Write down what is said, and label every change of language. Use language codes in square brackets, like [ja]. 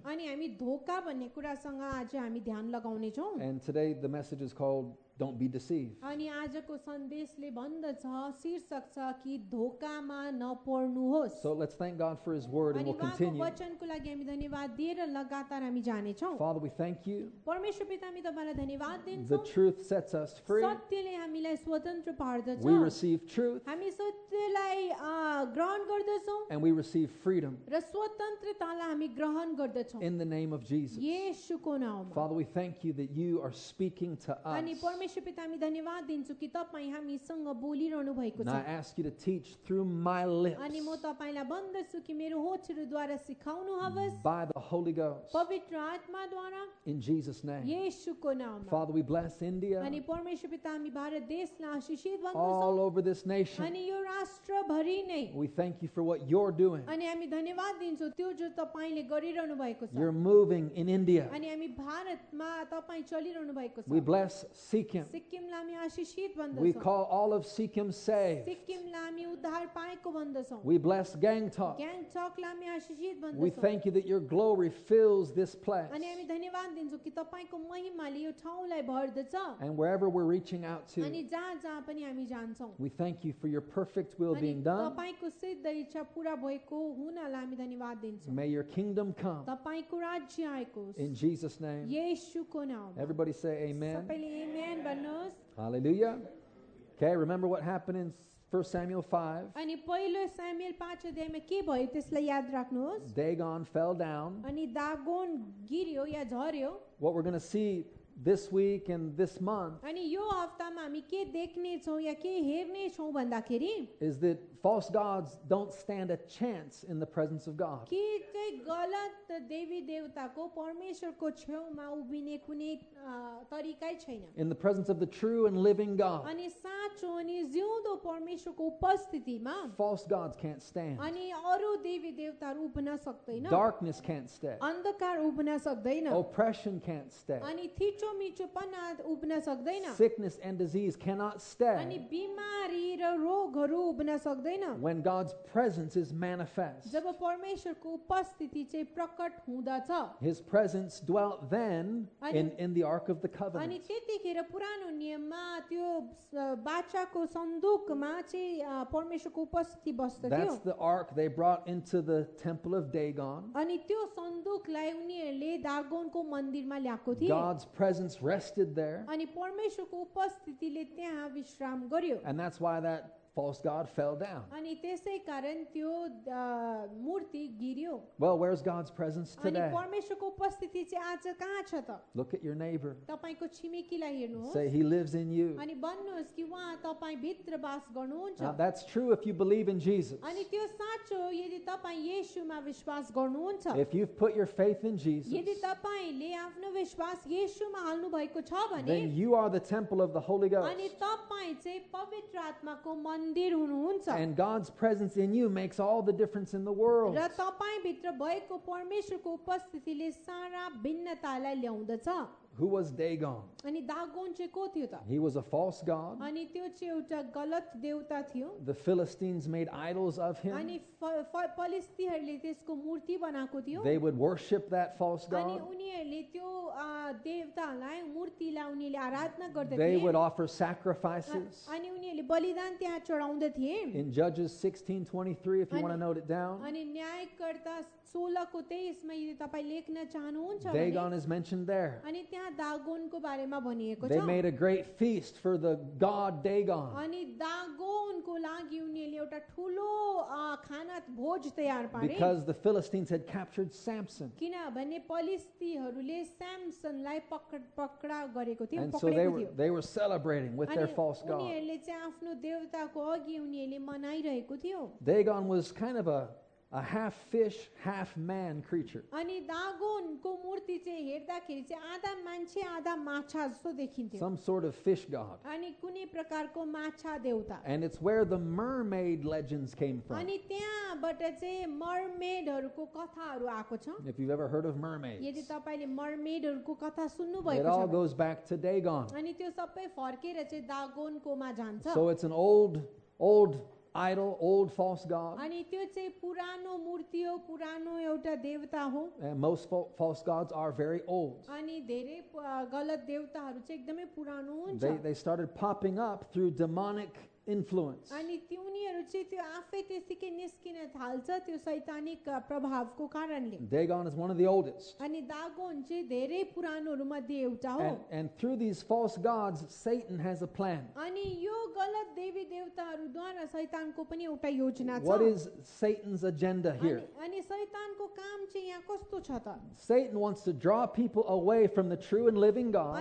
[ne] अनि हामी धोका भन्ने कुरासँग आज हामी ध्यान लगाउने छौं. [en] And today the message is called Don't be deceived. [ne] अनि आजको सन्देशले भन्दछ शीर्षक छ कि धोकामा नपर्नुहोस्. [en] So let's thank God for his word and we'll continue. [ne] अनि वचनको लागि हामी धन्यवाद दिएर लगातार हामी जाने छौं. [en] Father, we thank you. [ne] परमेश्वर पिता हामी तपाईलाई धन्यवाद दिन्छौं. [en] The truth sets us free. [ne] सत्यले हामीलाई स्वतन्त्र पार्दछ. [en] We receive truth. [ne] हामी सत्यलाई ग्रहण गर्दछौं. [en] And we receive freedom. [ne] र स्वतन्त्रतालाई हामी ग्रहण गर्दछौं. [en] In the name of Jesus. [ne] येशूको नाममा. [en] Father, we thank you that you are speaking to us. [ne] अनि परमेश्वर पिता हामी धन्यवाद दिन्छु कि तपाईं हामीसँग बोलिरहनु भएको छ. [en] I ask you to teach through my lips. [ne] अनि म तपाईंलाई भन्दछु कि मेरो होठहरूद्वारा सिकाउनु होस्. [en] By the Holy Ghost. [ne] पवित्र आत्माद्वारा. [en] In Jesus' name. [ne] येशूको नाममा. [en] Father, we bless India. [ne] अनि परमेश्वर पिता हामी भारत देशलाई आशिषित भन्दछु. [en] All over this nation. [ne] अनि यो राष्ट्रभरि नै. [en] We thank you for what you're doing. [ne] अनि हामी धन्यवाद दिन्छु त्यो जो तपाईंले गरिरहनु भएको छ. [en] You're moving in India. [ne] अनि हामी भारतमा तपाईं चलिरहनु भएको छ. [en] We bless Sikkim. [ne] Sikkim Lami आशिषित भन्दछौं. [en] We call all of Sikkim saved. [ne] Sikkim लामी उद्धार पाएको भन्दछौं. [en] We bless Gangtok. [ne] Gangtok Lami आशिषित भन्दछौं. [en] We thank you that your glory fills this place. [ne] अनि हामी धन्यवाद दिन्छु कि तपाईको महिमाले यो ठाउँलाई भर्दछ. [en] And wherever we're reaching out to. [ne] अनि जहाँ जहाँ पनि हामी जान्छौं. [en] We thank you for your perfect will being done. [ne] अनि तपाईको सिद्ध इच्छा पूरा भएको हुनाले हामी धन्यवाद दिन्छौं. [en] May your kingdom come. [ne] तपाईको राज्य आएकोस्. [en] In Jesus name. [ne] येशूको नाममा. [en] Everybody say amen. [ne] सबैले amen. [en] Hallelujah. Okay, remember what happened in 1 Samuel 5. [ne] अनि पहिलो सामुएल 5 अध्यायमा के भयो त्यसलाई याद राख्नुहोस्. [en] Dagon fell down. [ne] अनि दागोन गिर्यो या झर्यो. [en] What we're going to see this week and this month. [ne] अनि यो हप्तामा हामी के देख्ने छौं या के हेर्ने छौं भन्दाखेरि [en] is that false gods don't stand a chance in the presence of God. [ne] के चाहिँ गलत देवी देवताको परमेश्वरको छेउमा उभिने कुनै तरिकै छैन. [en] In the presence of the true and living God. [ne] अनि साँचो अनि जिउँदो परमेश्वरको उपस्थितिमा [en] false gods can't stand. [ne] अनि अरू देवी देवताहरू उभिन सक्दैन. [en] Darkness can't stay. [ne] अन्धकार उभिन सक्दैन. [en] Oppression can't stay. [ne] अनि मिचोपना उभिन सक्दैन. [en] Sickness and disease cannot stay. [ne] अनि बिमारी र रोगहरू उभिन सक्दैन. [en] When God's presence is manifest. [ne] जब परमेश्वरको उपस्थिति चाहिँ प्रकट हुँदछ. [en] His presence dwelt then in the ark of the covenant. [ne] अनि त्यतिखेर पुरानो नियममा त्यो बाचाको सन्दुकमा चाहिँ परमेश्वरको उपस्थिति बस्थ्यो. [en] That's the ark they brought into the temple of Dagon. [ne] अनि त्यो सन्दुकलाई उनीहरूले दागोनको मन्दिरमा ल्याएको थियो. [en] Presence rested there. [ne] अनि परमेश्वरको उपस्थितिले त्यहाँ विश्राम गर्यो. [en] And that's why that false god fell down. [ne] अनि त्यसै कारण त्यो मूर्ति गिर्यो. [en] Well, where's God's presence today? [ne] अनि परमेश्वरको उपस्थिति चाहिँ आज कहाँ छ त? [en] Look at your neighbor. [ne] तपाईको छिमेकीलाई हेर्नुहोस्. [en] Say he lives in you. [ne] अनि भन्नुहोस् कि वहाँ तपाईँ भित्र बास गर्नुहुन्छ. [en] That's true if you believe in Jesus. [ne] अनि त्यो साँचो यदि तपाईँ येशूमा विश्वास गर्नुहुन्छ. [en] If you've put your faith in Jesus. [ne] यदि तपाईँले आफ्नो विश्वास येशूमा हाल्नु भएको छ भने. [en] Then you are the temple of the Holy Ghost. [ne] अनि तपाईँ चाहिँ पवित्र आत्माको [en] And God's presence in you makes all the difference in the world. [ne] र तपाईं भित्र भएको परमेश्वरको उपस्थितिले सारा भिन्नतालाई ल्याउँदछ. [en] Who was Dagon? [ne] अनि दागोन चाहिँ को थियो त? [en] He was a false god. [ne] अनि त्यो चाहिँ एउटा गलत देवता थियो. [en] The Philistines made idols of him. [ne] अनि फिलिस्तीहरूले त्यसको मूर्ति बनाएको थियो. [en] They would worship that false god. [ne] अनि उनीहरूले त्यो देवतालाई मूर्तिलाई उनीहरूले आराधना गर्दथे. [en] They would offer sacrifices. [ne] अनि उनीहरूले बलिदान त्यहाँ चढाउँदथे. [en] In Judges 16:23 if you want to note it down. [ne] अनि न्यायकर्ता 16 को 23 मा यदि तपाई लेख्न चाहनुहुन्छ भने [en] Dagon is mentioned there. [ne] अनि त्यहाँ दागोनको बारेमा भनिएको छ. [en] They made a great feast for the god Dagon. [ne] अनि दागोनको लागि उनीहरूले एउटा ठूलो खाना भोज तयार पारे. [en] Because the Philistines had captured Samson. [ne] किनभने फिलिस्तीहरूले सैमसनलाई पक्राउ गरेको थियो. [en] And so they were celebrating with their false god. [ne] अनि उनीहरूले चाहिँ आफ्नो देवताको अघि उनीहरूले मनाइरहेको थियो. [en] Dagon was kind of a half fish half man creature. [ne] अनि दागोन को मूर्ति चाहिँ हेर्दाखेरि चाहिँ आधा मान्छे आधा माछा जस्तो देखिन्थ्यो. [en] Some sort of fish god. [ne] अनि कुनै प्रकारको माछा देवता. [en] And it's where the mermaid legends came from. [ne] अनि त्यहाँबाट चाहिँ मर्मेडहरुको कथाहरु आको छ. [en] If you've ever heard of mermaids. [ne] यदि तपाईले मर्मेडहरुको कथा सुन्नु भएको छ. [en] It all goes back to Dagon. [ne] अनि त्यो सबै फर्केर चाहिँ दागोन कोमा जान्छ. [en] So it's an old idol, old false god. [ne] अनि त्यो चाहिँ पुरानो मूर्ति हो, पुरानो एउटा देवता हो. [en] And most false gods are very old. [ne] अनि धेरै गलत देवताहरू चाहिँ एकदमै पुरानो हुन्छ. [en] They started popping up through demonic influence. [ne] अनि तिनीहरू चाहिँ त्यो आफै त्यसैकै निस्किन थाल्छ त्यो सैतानिक प्रभावको कारणले. [en] Dagon is one of the oldest. [ne] अनि दागोन चाहिँ धेरै पुरानोहरूमध्ये एउटा हो. [en] And through these false gods, Satan has a plan. [ne] अनि यो गलत देवी देवताहरूद्वारा सैतानको पनि एउटा योजना छ. [en] What is Satan's agenda here? [ne] अनि सैतानको काम चाहिँ यहाँ कस्तो छ त? [en] Satan wants to draw people away from the true and living God.